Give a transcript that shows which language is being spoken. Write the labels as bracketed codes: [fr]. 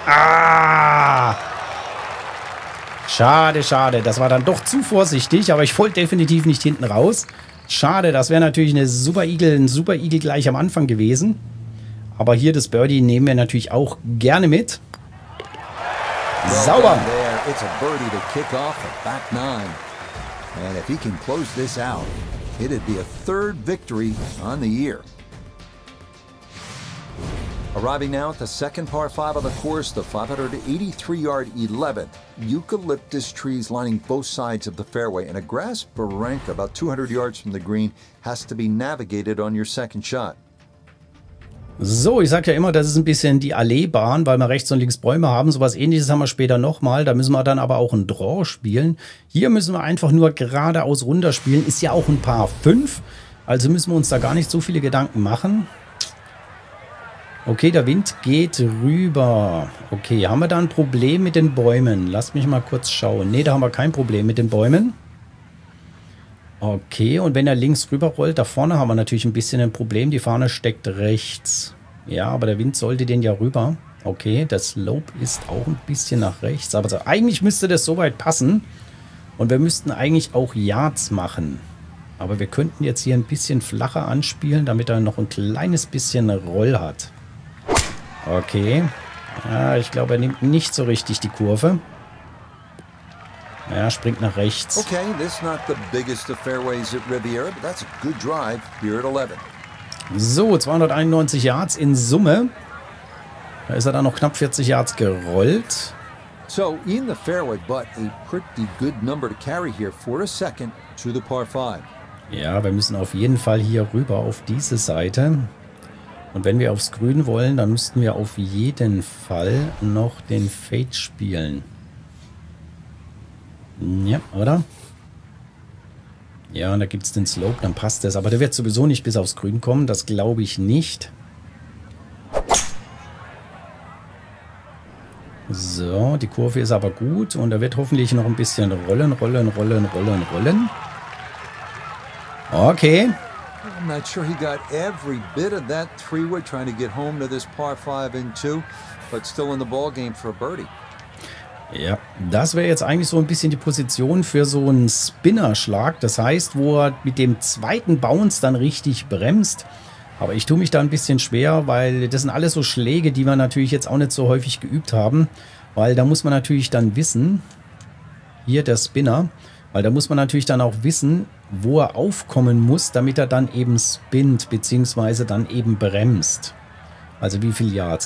[de] Ah! Schade, schade. Das war dann doch zu vorsichtig, aber ich wollte definitiv nicht hinten raus. Schade, das wäre natürlich eine Super Eagle, ein Super Eagle gleich am Anfang gewesen. Aber hier das Birdie nehmen wir natürlich auch gerne mit. Sauber! [en] It's a birdie to kick off a back nine. And if he can close this out, it'd be a third victory on the year. Arriving now at the second par five of the course, the 583-yard 11th. Eucalyptus trees lining both sides of the fairway, and a grass barranca about 200 yards from the green has to be navigated on your second shot. [de] So, ich sag ja immer, das ist ein bisschen die Alleebahn, weil wir rechts und links Bäume haben. Sowas ähnliches haben wir später nochmal. Da müssen wir dann aber auch einen Draw spielen. Hier müssen wir einfach nur geradeaus runterspielen. Ist ja auch ein paar 5. Also müssen wir uns da gar nicht so viele Gedanken machen. Okay, der Wind geht rüber. Okay, haben wir da ein Problem mit den Bäumen? Lass mich mal kurz schauen. Nee, da haben wir kein Problem mit den Bäumen. Okay, und wenn er links rüberrollt, da vorne haben wir natürlich ein bisschen ein Problem. Die Fahne steckt rechts. Ja, aber der Wind sollte den ja rüber. Okay, der Slope ist auch ein bisschen nach rechts. Aber so, eigentlich müsste das soweit passen. Und wir müssten eigentlich auch Yards machen. Aber wir könnten jetzt hier ein bisschen flacher anspielen, damit er noch ein kleines bisschen Roll hat. Okay. Ja, ich glaube, er nimmt nicht so richtig die Kurve. Ja, springt nach rechts. [en] Okay, this is not the biggest of fairways at Riviera, but that's a good drive here at 11. [de] So, 291 Yards in Summe. Da ist er dann noch knapp 40 Yards gerollt. [en] So, in the fairway, but a pretty good number to carry here for a second to the par 5. [de] Ja, wir müssen auf jeden Fall hier rüber auf diese Seite. Und wenn wir aufs Grün wollen, dann müssten wir auf jeden Fall noch den Fade spielen. Ja, oder? Ja, und da gibt es den Slope, dann passt das. Aber der wird sowieso nicht bis aufs Grün kommen. Das glaube ich nicht. So, die Kurve ist aber gut. Und er wird hoffentlich noch ein bisschen rollen, rollen, rollen, rollen, rollen. Okay. [en] I'm not sure he got every bit of that three-wood trying to get home to this par 5 in 2. But still in the ballgame for a birdie. [de] Ja, das wäre jetzt eigentlich so ein bisschen die Position für so einen Spinner-Schlag. Das heißt, wo er mit dem zweiten Bounce dann richtig bremst. Aber ich tue mich da ein bisschen schwer, weil das sind alles so Schläge, die wir natürlich jetzt auch nicht so häufig geübt haben. Weil da muss man natürlich dann wissen, hier der Spinner, weil da muss man natürlich dann auch wissen, wo er aufkommen muss, damit er dann eben spinnt, beziehungsweise dann eben bremst. Also wie viel Yards?